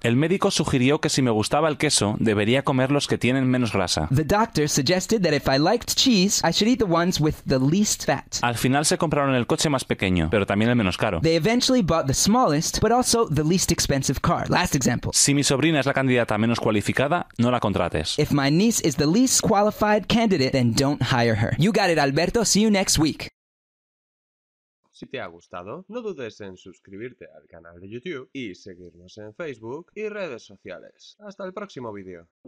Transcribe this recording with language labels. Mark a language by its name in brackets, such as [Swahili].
[Spanish] El médico sugirió que si me gustaba el queso, debería comer los que tienen menos grasa. [English] The doctor suggested that if I liked cheese, I should eat the ones with the least fat. [Spanish] Al final se compraron el coche más pequeño, pero también el menos caro. [English] They eventually bought the smallest, but also the least expensive car. Last example. [Spanish] Si mi sobrina es la candidata menos cualificada, no la contrates. [English] If my niece is the least qualified candidate, then don't hire her. You got it, Alberto. See you next week. [Spanish] Si te ha gustado, no dudes en suscribirte al canal de YouTube y seguirnos en Facebook y redes sociales. Hasta el próximo vídeo.